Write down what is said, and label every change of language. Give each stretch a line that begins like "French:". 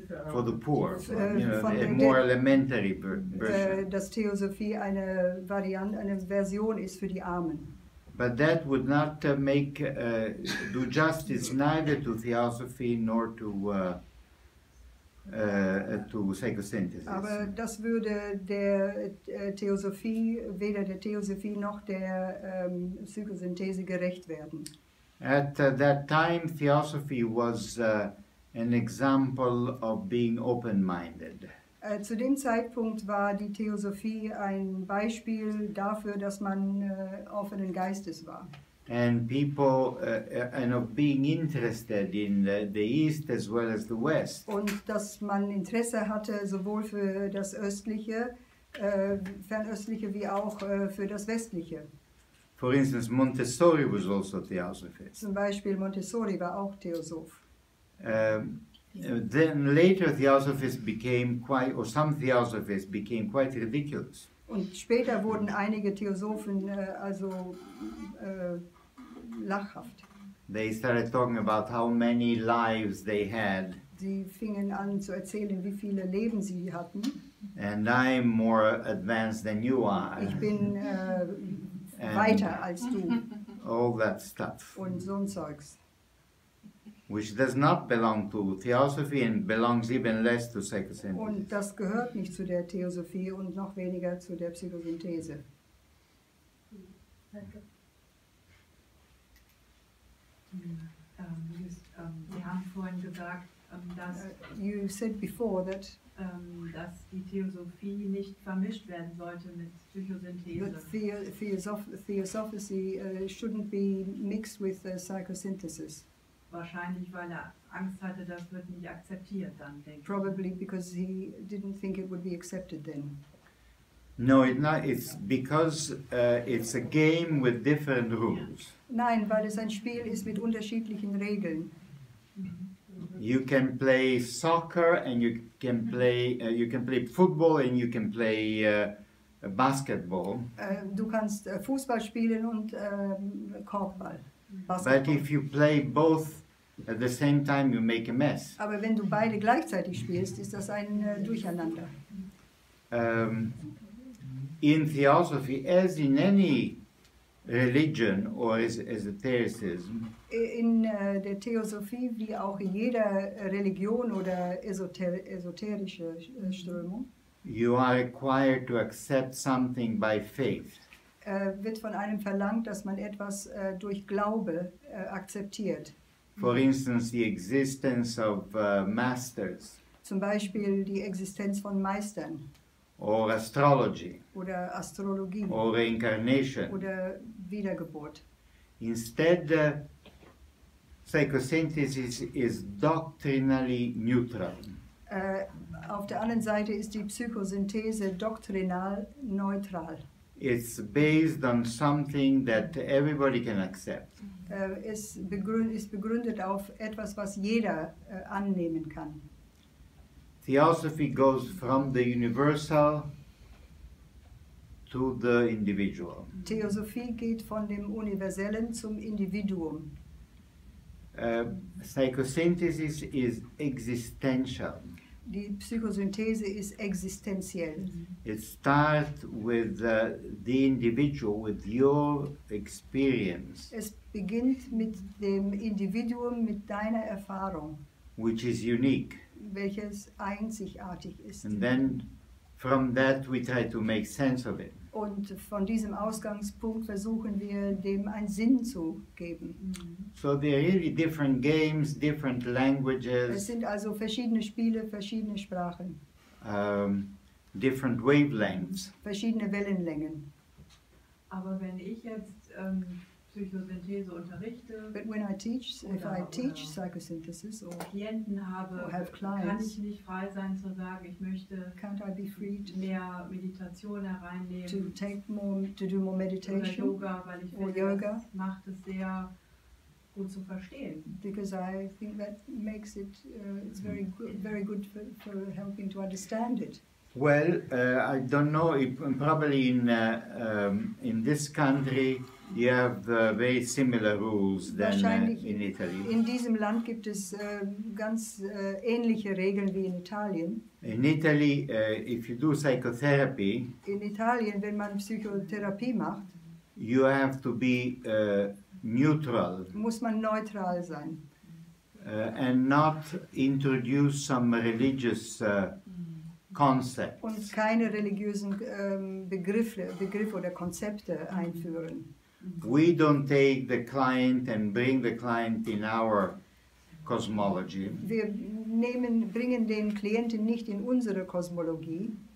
English: for the poor, for, you know, a more elementary version.
German: Dass Theosophie eine Variante, eine Version ist für die Armen.
English: But that would not make do justice neither to theosophy nor to to psychosynthesis.
German: Aber das würde der Theosophie, weder der Theosophie noch der Psychosynthese gerecht werden.
English: At that time, theosophy was an example of being open-minded.
German: Zu dem Zeitpunkt war die Theosophie ein Beispiel dafür, dass man offenen Geistes war.
English: And people and of being interested in the East as well as the West.
German: Und dass man Interesse hatte sowohl für das Östliche, Fernöstliche, wie auch für das Westliche.
English: For instance, Montessori was also a theosophist.
German: Zum Beispiel Montessori war auch Theosoph.
English: Then later theosophists became quite, or some theosophists became quite ridiculous.
German: Und später wurden einige Theosophen also lachhaft.
English: They started talking about how many lives they had.
German: Sie fingen an zu erzählen, wie viele Leben sie hatten.
English: And I'm more advanced than you are.
German: Ich bin weiter als du.
English: All that stuff.
German: Und so ein Zeugs.
English: Which does not belong to theosophy and belongs even less to psychosynthesis.
German: Und das gehört nicht zu der Theosophie und noch weniger zu der Psychosynthese. Wir haben vorhin gesagt, dass
English: you said before that
German: dass die Theosophie nicht vermischt werden sollte mit Psychosynthese.
English: Theosophy shouldn't be mixed with psychosynthesis.
German: Wahrscheinlich, weil er Angst hatte, das wird nicht akzeptiert dann, denke ich.
English: Probably because he didn't think it would be accepted then. No, it's because it's a game with different rules. Yeah.
German: Nein, weil es ein Spiel ist mit unterschiedlichen Regeln.
English: You can play soccer and you can play football and you can play basketball.
German: Du kannst Fußball spielen und Korbball.
English: Basketball. But if you play both at the same time, you make a mess.
German: Aber wenn du beide gleichzeitig spielst, ist das ein Durcheinander.
English: In Theosophy, as in any religion or as esotericism.
German: In der Theosophie, wie auch in jeder Religion oder esoterische Strömung.
English: You are required to accept something by faith.
German: Wird von einem verlangt, dass man etwas durch Glaube akzeptiert.
English: For instance, the existence of masters.
German: Zum Beispiel die Existenz von Meistern.
English: Or astrology.
German: Oder Astrologie.
English: Or reincarnation.
German: Oder Wiedergeburt.
English: Instead, psychosynthese is doctrinally neutral.
German: Auf der anderen Seite ist die Psychosynthese doktrinal neutral.
English: It's based on something that everybody can accept.
German: Es ist begründet auf etwas, was jeder annehmen kann.
English: Theosophy goes from the universal to the individual.
German: Theosophie geht von dem Universellen zum Individuum.
English: Psychosynthesis is existential.
German: Die Psychosynthese ist existenziell.
English: It starts with the individual, with your experience.
German: Es beginnt mit dem Individuum, mit deiner Erfahrung.
English: Which is unique.
German: Welches einzigartig ist.
English: And then from that we try to make sense of it.
German: Und von diesem Ausgangspunkt versuchen wir, dem einen Sinn zu geben.
English: So there are really different games, different languages.
German: Es sind also verschiedene Spiele, verschiedene Sprachen.
English: Different wavelengths.
German: Verschiedene Wellenlängen. Aber wenn ich jetzt Psychosynthese unterrichte,
English: but when I teach, if I teach psychosynthesis or
German: Klienten habe,
English: or have clients,
German: kann ich nicht frei sein zu sagen, ich möchte mehr Meditation hereinnehmen,
English: to take more, to do more meditation,
German: oder Yoga, weil ich finde,
English: yoga,
German: das macht es sehr gut zu verstehen.
English: Because I think that makes it it's very good for helping to understand it. Well, I don't know, probably in this country you have very similar rules than in Italy.
German: In diesem Land gibt es ganz ähnliche Regeln wie in Italien.
English: In Italy, if you do psychotherapy,
German: in Italien, wenn man Psychotherapie macht,
English: you have to be neutral.
German: Muss man neutral sein.
English: And not introduce some religious concepts.
German: Und keine religiösen Begriffe oder Konzepte einführen.
English: We don't take the client and bring the client in our cosmology.
German: Wir bringen den Klienten nicht in unsere Kosmologie.